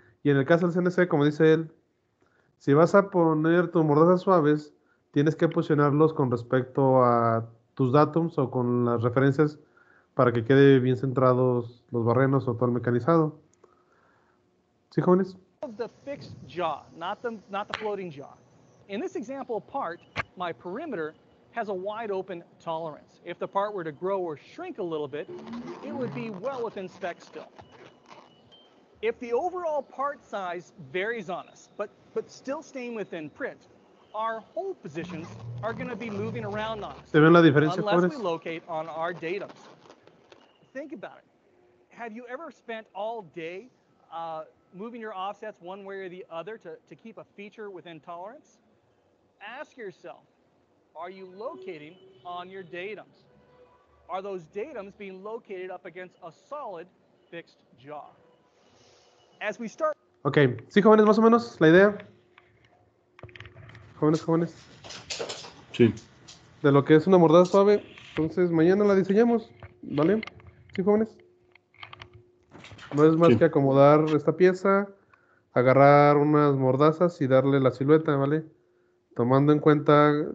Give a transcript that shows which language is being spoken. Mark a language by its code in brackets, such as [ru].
[es] Y en el caso del CNC, como dice él, si vas a poner tus mordazas suaves, tienes que posicionarlos con respecto a tus datums o con las referencias para que quede bien centrados los barrenos o todo el mecanizado. ¿Sí, jóvenes? [en] The fixed jaw, not the floating jaw. In this example part, my perimeter has a wide open tolerance. If the part were to grow or shrink a little bit, it would be well within spec still. If the overall part size varies on us, but still staying within print, our hole positions are going to be moving around on us. [es] ¿Se ven la diferencia, [en] unless [es] jóvenes? [en] We locate on our datums. Think about it. Have you ever spent all day moving your offsets one way or the other to keep a feature within tolerance? Ask yourself, are you locating on your datums? Are those datums being located up against a solid fixed jaw? As we start. Okay. [es] ¿Sí, jóvenes, más o menos la idea? Jóvenes, jóvenes. Sí. De lo que es una mordaza suave. Entonces, mañana la diseñamos. ¿Vale? ¿Sí, jóvenes? No es más sí. Que acomodar esta pieza, agarrar unas mordazas y darle la silueta, ¿vale? Tomando en cuenta.